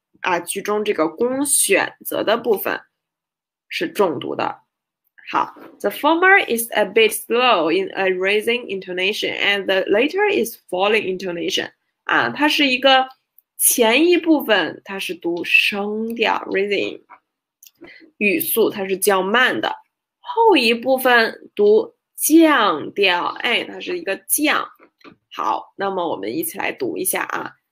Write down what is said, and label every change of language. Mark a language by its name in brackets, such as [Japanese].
[Chinese] 啊，句中这个供选择的部分是重读的。 [English] 好，the former is a bit slow in a raising intonation, and the later is falling intonation。 [Chinese] 啊，它是一个前一部分，它是读升调 raising，语速它是较慢的，后一部分读降调，哎，它是一个降。好，那么我们一起来读一下啊。